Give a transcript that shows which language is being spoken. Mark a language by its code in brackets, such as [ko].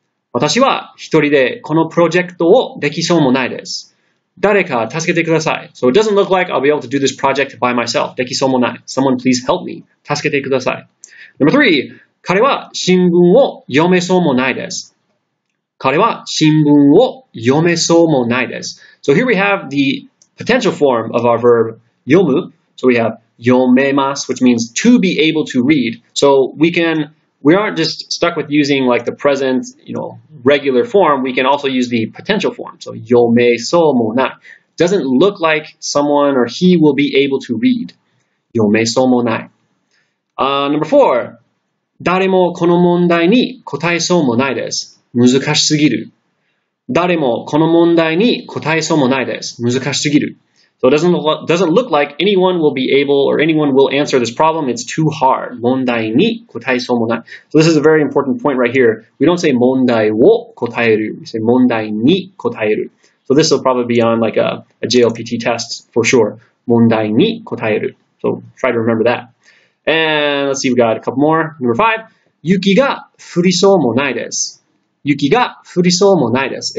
[ja] 私は一人でこのプロジェクトをできそうもないです。誰か助けてください。 [en] So it doesn't look like I'll be able to do this project by myself. [ja] できそうもない。 [en] Someone please help me. [ja] 助けてください。 [en] Number three. [ja] 彼は新聞を読めそうもないです。彼は新聞を読めそうもないです。 [en] So here we have the potential form of our verb 読む. So we have 読めます, which means to be able to read. So we canWe aren't just stuck with using like the present, you know, regular form. We can also use the potential form. So, [ja] 読めそうもない. [en] Doesn't look like someone or he will be able to read. [ja] 読めそうもない. [en] Number four. [ja] 誰もこの問題に答えそうもないです. 難しすぎる.誰もこの問題に答えそうもないです. 難しすぎる. [en] So, it doesn't look like anyone will be able or anyone will answer this problem. It's too hard. [ja] 問題に答えそうもない. [en] So, this is a very important point right here. We don't say [ja] 問題を答える. [en] We say [ja] 問題に答える. [en] So, this will probably be on like a JLPT test for sure. [ja] 問題に答える. [en] So, try to remember that. And let's see, we've got a couple more. Number five. [ja] 雪が降りそうもないです.雪が降りそうもないです.